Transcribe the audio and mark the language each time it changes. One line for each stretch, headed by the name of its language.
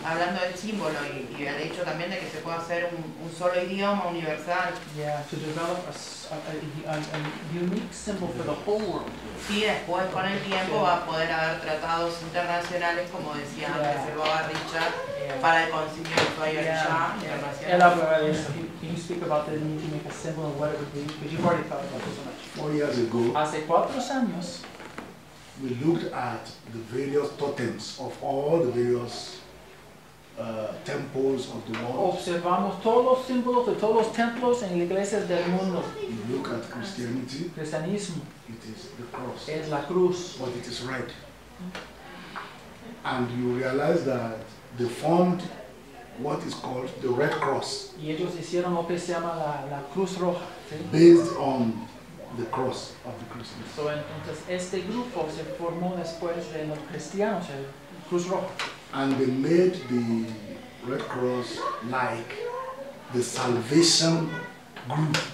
Spanish: hablando del símbolo y el hecho también de que se pueda hacer un solo idioma universal.
English: Yeah, to develop a unique symbol for the whole world.
Spanish: Y después con el tiempo va a poder haber tratados internacionales, como decía antes el Boba Richard, para el conocimiento de Yorishá internacional.
English: Can you speak about the need to make a symbol and what it would be? Because you've already thought about this so much. 4 years ago,
Spanish: hace 4 años,
English: we looked at the various totems of all the various temples of the world.
Spanish: Observamos todos los símbolos de todos los templos en iglesias del mundo.
English: You look at Christianity.
Spanish: Cristianismo.
English: It is the cross.
Spanish: Es la cruz.
English: But it is red. And you realize that they formed what is called the Red Cross.
Spanish: Y ellos hicieron lo que se llama la cruz roja. ¿Sí?
English: Based on the cross of the Christians.
Spanish: So, entonces este grupo se formó después de los cristianos, el cruz roja.
English: And they made the Red Cross like the salvation group